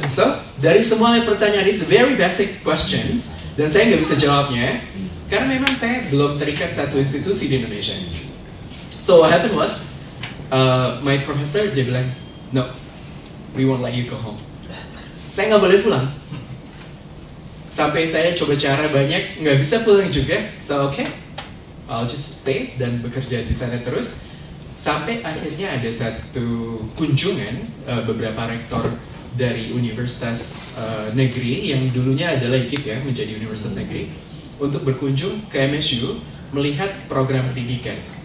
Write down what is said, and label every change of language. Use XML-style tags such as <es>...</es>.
<id>So, dari semua pertanyaan,</id> <en>it's very basic questions,</en> <id>dan saya gak bisa jawabnya, karena memang saya belum terikat satu institusi di Indonesia.</id> <en>So, what happened was, my professor,</en> <id>dia bilang,</id> <en>no, we won't let you go home.</en> <id>Saya gak boleh pulang. Sampai saya coba cara banyak, gak bisa pulang juga.</id> <en>So, okay, I'll just stay</en> <id>dan bekerja di sana terus. Sampai akhirnya ada satu kunjungan beberapa rektor dari Universitas Negeri yang dulunya adalah IKIP ya, menjadi Universitas Negeri, untuk berkunjung ke MSU melihat program pendidikan.</id>